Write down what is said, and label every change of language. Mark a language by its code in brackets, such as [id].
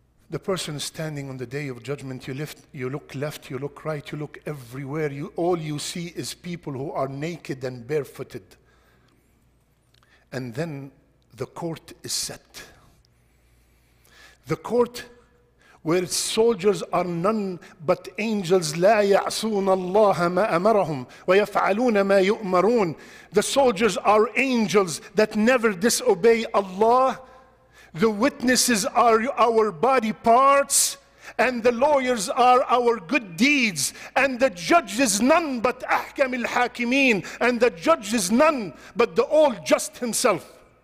[en] The person standing on the day of judgment, you look left, you look right, you look everywhere. All you see is people who are naked and barefooted. And then the court is set. The court where soldiers are none but angels. [ar] لا يعصون الله ما أمرهم ويفعلون ما يؤمرون. [en] The soldiers are angels that never disobey Allah. The witnesses are our body parts, and the lawyers are our good deeds, and the judges none but [ar] أحكم الحاكمين, [en] and the judges none but the All Just Himself.